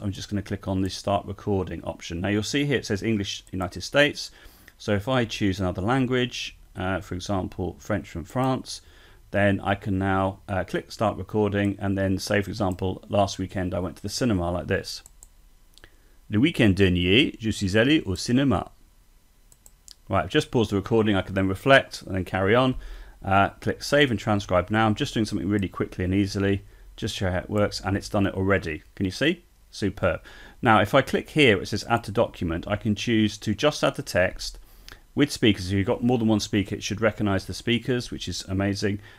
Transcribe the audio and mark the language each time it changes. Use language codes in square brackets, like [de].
[en] I'm just going to click on the start recording option. Now you'll see here it says English, United States. So if I choose another language, for example, French from France, then I can now click start recording and then say, for example, last weekend I went to the cinema like this. [fr] Le week-end dernier, je suis allé au cinéma. [en] Right, I've just paused the recording. I can then reflect and then carry on. Click save and transcribe now. I'm just doing something really quickly and easily, just show how it works, and it's done it already. Can you see? Superb. Now, if I click here, it says add to document. I can choose to just add the text. With speakers, if you've got more than one speaker, it should recognize the speakers, which is amazing.